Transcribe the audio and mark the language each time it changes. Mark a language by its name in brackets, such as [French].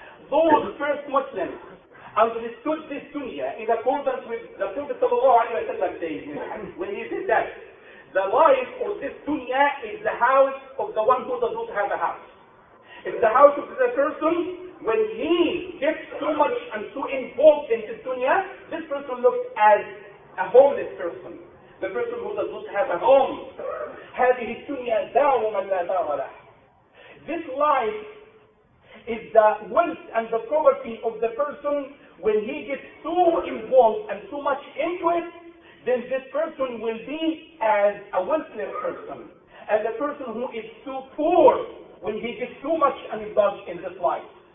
[English] Those first Muslims understood this dunya in accordance with the Prophet sallallahu alayhi wa sallam saying, when he said that the life of this dunya is the house of the one who does not have a house. It's the house of the person when he gets too much and too involved in this dunya, this person looks as a homeless person, the person who does not have a home. [Arabic] هذه الدنيا دار من لا دار له. [English] This life is the wealth and the property of the person when he gets so involved and so much into it, then this person will be as a wealthless person, as a person who is so poor when he gets so much involved in this life.